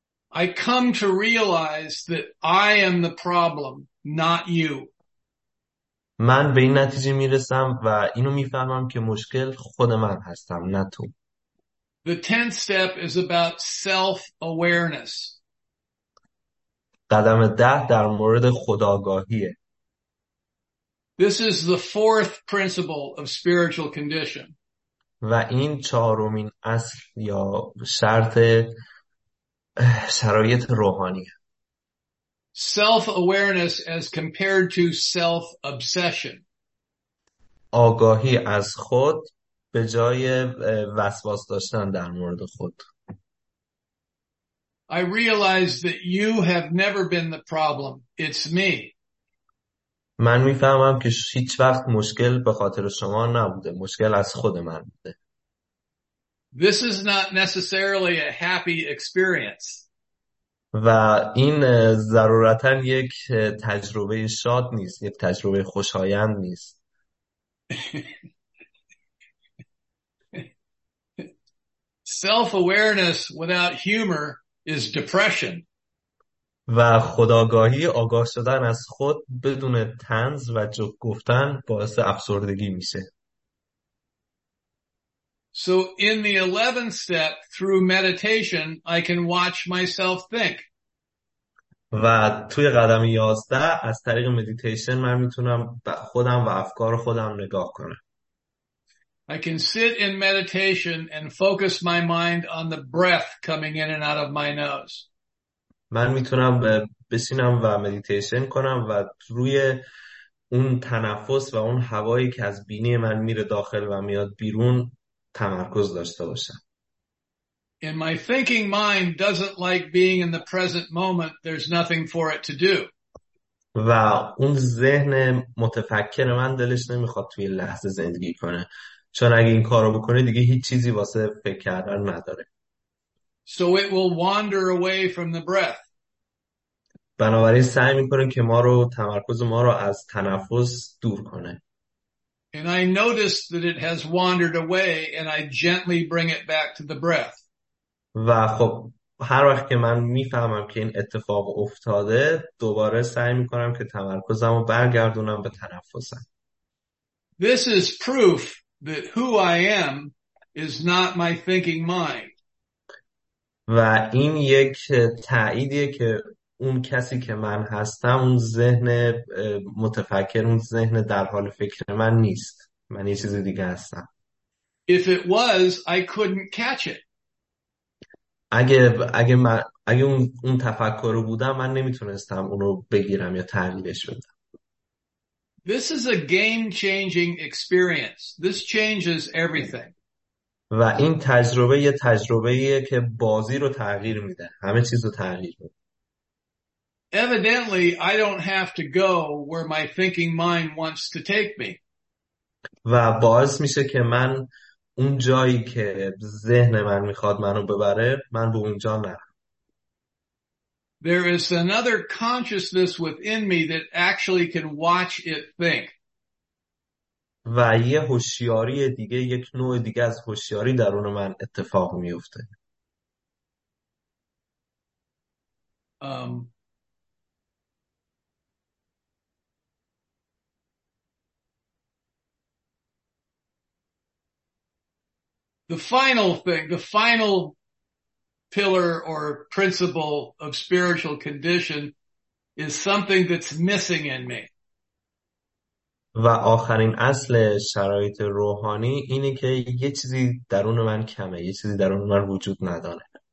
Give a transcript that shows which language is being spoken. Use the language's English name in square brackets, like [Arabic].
[English] I come to realize that I am the problem, not you. [Persian] من به این نتیجه میرسم و اینو میفهمم که مشکل خود من هستم نه تو. [English] The tenth step is about self-awareness. [Persian] قدم 10 در مورد خودآگاهیه. [English] This is the fourth principle of spiritual condition. [Persian] و این چهارمین اصل یا شرط شرایط روحانیه. [English] Self-awareness as compared to self-obsession. [Persian] آگاهی از خود به جای وسواس داشتن در مورد خود. [English] I realize that you have never been the problem. It's me. [Persian] من میفهمم که هیچ وقت مشکل به خاطر شما نبوده. مشکل از خود من بوده. [English] This is not necessarily a happy experience. [Persian] و این ضرورتا یک تجربه شاد نیست، یک تجربه خوشایند نیست. [English] Self-awareness without humor is depression. [Persian] و خودآگاهی آگاه شدن از خود بدون طنز و جوک گفتن باعث افسردگی میشه. [English] So in the 11th step through meditation I can watch myself think. [Persian] و توی قدم 11 از طریق مدیتیشن من میتونم خودم و افکار خودم نگاه کنم. [English] I can sit in meditation and focus my mind on the breath coming in and out of my nose. [Persian] من میتونم بشینم و مدیتیشن کنم و روی اون تنفس و اون هوایی که از بینی من میره داخل و میاد بیرون تمرکز داشته باشم. [English] And my thinking mind doesn't like being in the present moment. There's nothing for it to do. [Persian] و اون ذهن متفکر من دلش نمیخواد توی لحظه زندگی کنه. چون اگه این کارو بکنه دیگه هیچ چیزی واسه فکر کردن نداره. [English] So it will wander away from the breath. [Persian] بنابراین سعی میکنه که ما رو تمرکز ما رو از تنفس دور کنه. [English] And I notice that it has wandered away and I gently bring it back to the breath. [Persian] و خب هر وقت که من میفهمم که این اتفاق افتاده دوباره سعی میکنم که تمرکزم رو برگردونم به تنفسم. [English] This is proof that who I am is not my thinking mind. [Persian] و این یک تاییدیه که اون کسی که من هستم اون ذهن متفکر اون ذهن در حال فکر من نیست. من یه چیز دیگه هستم. [English] If it was, I couldn't catch it. [Persian] اگه اون تفکر رو بودم، من نمیتونستم اونو بگیرم یا تحلیلش بدم. [English] This is a game-changing experience. This changes everything. [Persian] و این تجربه یه تجربه‌ایه که بازی رو تغییر میده، همه چیز رو تغییر میده. [English] Evidently, I don't have to go where my thinking mind wants to take me. [Persian] و باعث میشه که من اون جایی که ذهن من میخواد منو ببره، من به اونجا نرم. [English] There is another consciousness within me that actually can watch it think. [Persian] و یه هوشیاری دیگه، یک نوع دیگه از هوشیاری درون من اتفاق میفته. [English] The final thing, the final pillar or principle of spiritual condition is something that's missing in me. [Persian] و آخرین اصل شرایط روحانی اینه که یه چیزی درون من کمه، یه چیزی درون من وجود نداره.